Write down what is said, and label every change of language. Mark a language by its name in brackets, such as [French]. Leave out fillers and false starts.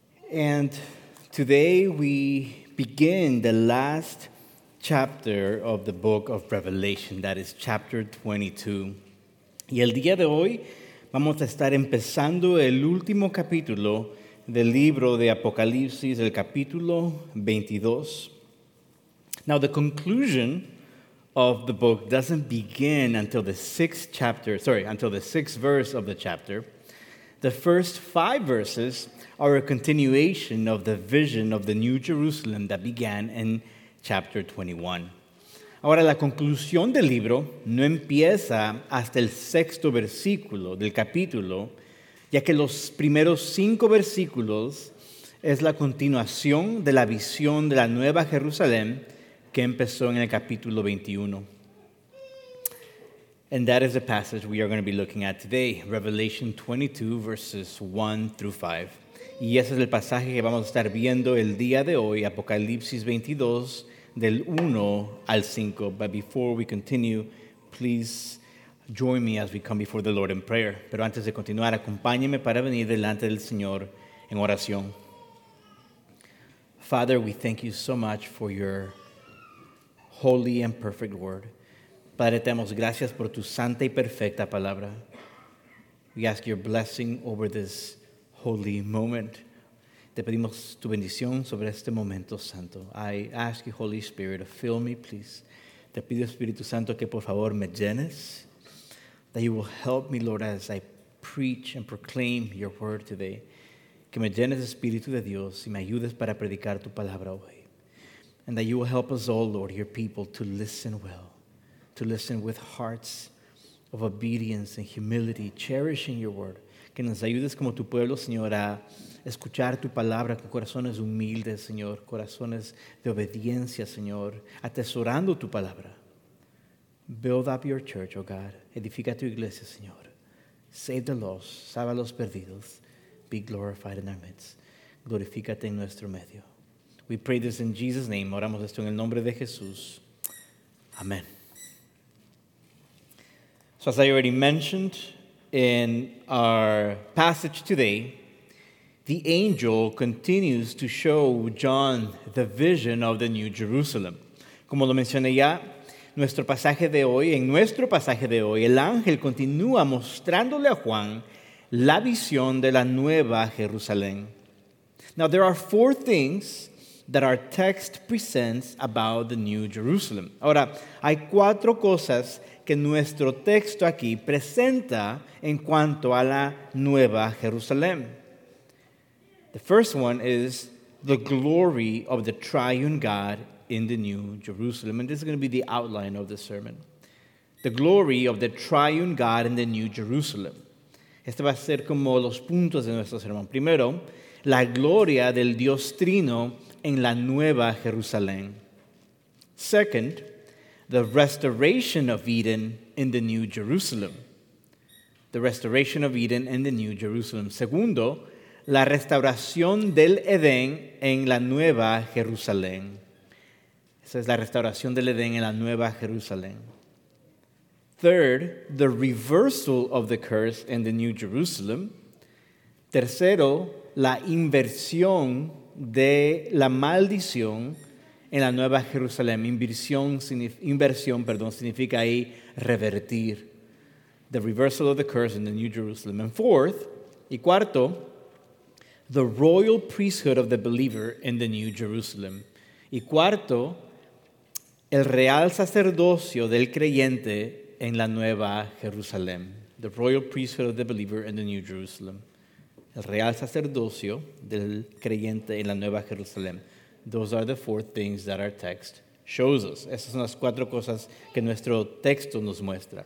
[English] And today we begin the last chapter of the book of Revelation, that is chapter 22. [Spanish] Y el día de hoy vamos a estar empezando el último capítulo del libro de Apocalipsis, el capítulo 22. [English] Now, the conclusion of the book doesn't begin until the sixth verse of the chapter. The first five verses are a continuation of the vision of the New Jerusalem that began in chapter 21. [Spanish] Ahora, la conclusión del libro no empieza hasta el sexto versículo del capítulo, ya que los primeros cinco versículos es la continuación de la visión de la Nueva Jerusalén que empezó en el capítulo 21. [English] And that is the passage we are going to be looking at today, Revelation 22, verses 1 through 5. [Spanish] Y ese es el pasaje que vamos a estar viendo el día de hoy, Apocalipsis 22, del 1 al 5. [English] But before we continue, please join me as we come before the Lord in prayer. [Spanish] Pero antes de continuar, acompáñeme para venir delante del Señor en oración. [English] Father, we thank you so much for your holy and perfect word. [Spanish] Padre, te damos gracias por tu santa y perfecta palabra. [English] We ask your blessing over this holy moment. [Spanish] Te pedimos tu bendición sobre este momento santo. [English] I ask you, Holy Spirit, to fill me, please. [Spanish] Te pido, Espíritu Santo, que por favor me llenes. [English] That you will help me, Lord, as I preach and proclaim your word today. [Spanish] Que me llenes, Espíritu de Dios, y me ayudes para predicar tu palabra hoy. [English] And that you will help us all, Lord, your people, to listen well, to listen with hearts of obedience and humility, cherishing your word. [Spanish] Que nos ayudes como tu pueblo, Señor, a escuchar tu palabra con corazones humildes, Señor, corazones de obediencia, Señor, atesorando tu palabra. [English] Build up your church, oh God. [Spanish] Edifica tu iglesia, Señor. [English] Save the lost. [Spanish] Salva los perdidos. [English] Be glorified in our midst. [Spanish] Glorifícate en nuestro medio. [English] We pray this in Jesus' name. [Spanish] Oramos esto en el nombre de Jesús. Amen. [English] So as I already mentioned in our passage today, the angel continues to show John the vision of the New Jerusalem. [Spanish] Como lo mencioné ya, en nuestro pasaje de hoy, el ángel continúa mostrándole a Juan la visión de la Nueva Jerusalén. [English] Now, there are four things that our text presents about the New Jerusalem. [Spanish] Ahora, hay cuatro cosas que nuestro texto aquí presenta en cuanto a la Nueva Jerusalén. [English] The first one is the glory of the triune God in the New Jerusalem. And this is going to be the outline of the sermon. The glory of the triune God in the New Jerusalem. [Spanish] Este va a ser como los puntos de nuestro sermón. Primero, la gloria del Dios Trino en la Nueva Jerusalén. [English] Second, the restoration of Eden in the New Jerusalem. The restoration of Eden in the New Jerusalem. [Spanish] Segundo, la restauración del Edén en la Nueva Jerusalén. Esa es la restauración del Edén en la Nueva Jerusalén. [English] Third, the reversal of the curse in the New Jerusalem. [Spanish] Tercero, la inversión de la maldición en la Nueva Jerusalén. Inversión significa ahí revertir. [English] The reversal of the curse in the New Jerusalem. And fourth, [Spanish] y cuarto, [English] the royal priesthood of the believer in the New Jerusalem. [Spanish] Y cuarto, el real sacerdocio del creyente en la Nueva Jerusalén. [English] The royal priesthood of the believer in the New Jerusalem. [Spanish] El real sacerdocio del creyente en la Nueva Jerusalén. [English] Those are the four things that our text shows us. [Spanish] Esas son las cuatro cosas que nuestro texto nos muestra.